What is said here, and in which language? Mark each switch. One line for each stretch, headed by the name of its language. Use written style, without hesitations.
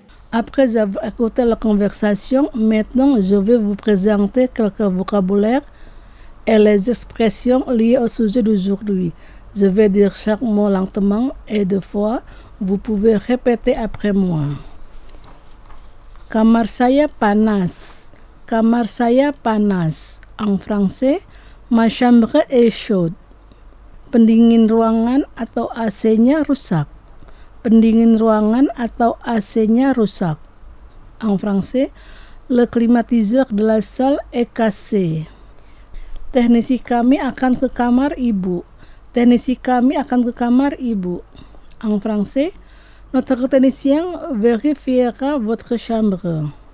French: Après avoir écouté la conversation, maintenant je vais vous présenter quelques vocabulaires et les expressions liées au sujet d'aujourd'hui. Je vais dire chaque mot lentement et deux fois, vous pouvez répéter après moi.
Indonesian: Kamar saya panas. Kamar saya panas.
French: En français, ma chambre est chaude.
Indonesian: Pendingin ruangan atau AC-nya rusak. Pendingin ruangan atau AC-nya rusak.
French: En français, le climatiseur de la salle est cassé.
Indonesian: Teknisi kami akan ke kamar ibu. Teknisi kami akan ke kamar ibu.
French: En français, notre technicien vérifiera votre chambre.